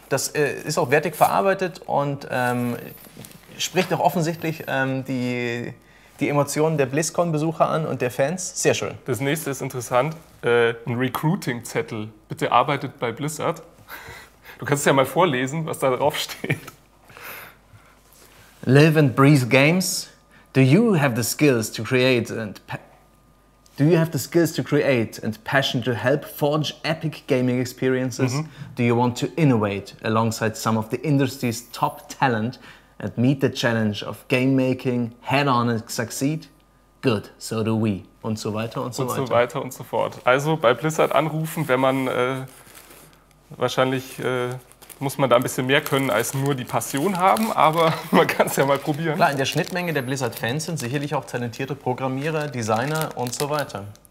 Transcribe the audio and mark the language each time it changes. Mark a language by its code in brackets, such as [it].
[de] Das ist auch wertig verarbeitet und spricht auch offensichtlich die Emotionen der BlizzCon-Besucher an und der Fans. Sehr schön. Das nächste ist interessant. Ein Recruiting-Zettel. Bitte arbeitet bei Blizzard. Du kannst es ja mal vorlesen, was da drauf steht. [en] Live and breathe games. Do you have the skills to create and... Do you have the skills to create and passion to help forge epic gaming experiences? Mhm. Do you want to innovate alongside some of the industry's top talent and meet the challenge of game making head on and succeed? Good, so do we. [de] Und so weiter und so weiter. Und so weiter und so fort. Also bei Blizzard anrufen, wenn man wahrscheinlich muss man da ein bisschen mehr können als nur die Passion haben, aber man kann es ja mal probieren. Klar, in der Schnittmenge der Blizzard-Fans sind sicherlich auch talentierte Programmierer, Designer und so weiter.